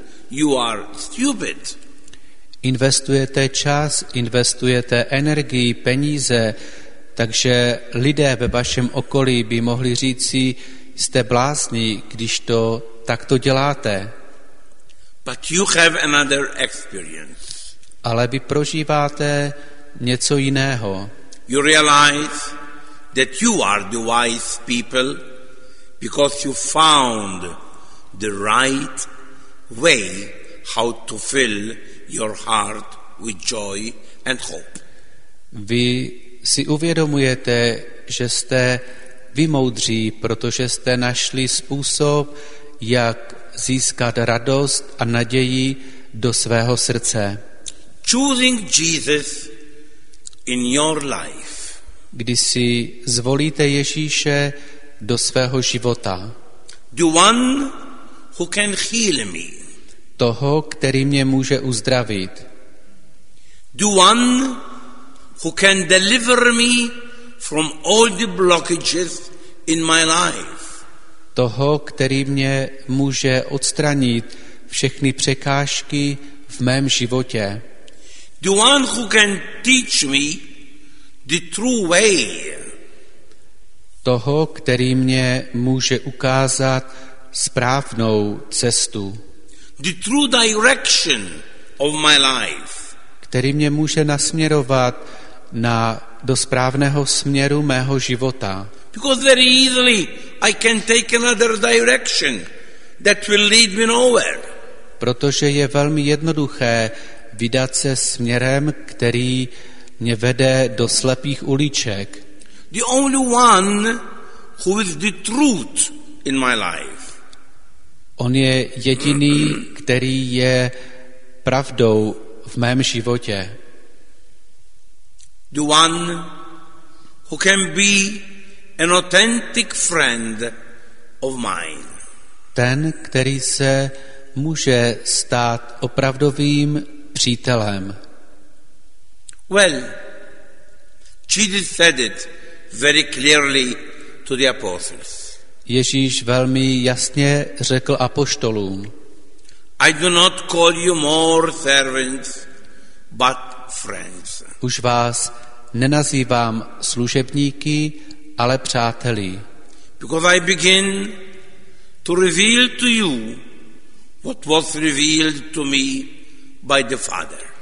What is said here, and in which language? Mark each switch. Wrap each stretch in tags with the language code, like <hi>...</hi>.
<en>You are stupid.</en> <cs>Investujete čas, investujete energii, peníze, takže lidé ve vašem okolí by mohli říci, jste blázni, když to takto děláte.</cs> <en>But you have another experience.</en> <cs>Ale vy prožíváte něco jiného.</cs> <en>You realize that you are the wise people because you found the right way how to fill your heart with joy and hope.</en> <cs>Vy si uvědomujete, že jste vy moudří, protože jste našli způsob, jak získat radost a naději do svého srdce.</cs> <en>Choosing Jesus in your life.</en> <cs>Když si zvolíte Ježíše do svého života.</cs> <en>The one who can heal me.</en> <cs>Toho, který mě může uzdravit.</cs> <en>The one who can deliver me from all the blockages in my life.</en> <cs>Toho, který mě může odstranit všechny překážky v mém životě.</cs> <en>The one who can teach me the true way.</en> <cs>Toho, který mě může ukázat správnou cestu.</cs> <en>The true direction of my life.</en> <cs>Který mě může nasměrovat do správného směru mého života.</cs> <en>Because very easily I can take another direction that will lead me nowhere.</en> <cs>Protože je velmi jednoduché vydat se směrem, který mě vede do slepých uliček.</cs> <en>The only one who is the truth in my life.</en> <cs>On je jediný, který je pravdou v mém životě.</cs> <en>The one who can be an authentic friend of mine.</en> <cs>Ten, který se může stát opravdovým přítelem.</cs> <en>Well, Jesus said it very clearly to the apostles.</en> <cs>Ježíš velmi jasně řekl apoštolům.</cs> <en>I do not call you more servants, but friends.</en> <cs>Už vás nenazývám služebníky, ale přáteli.</cs> <en>Because I begin to reveal to you what was revealed to me by the Father.</en>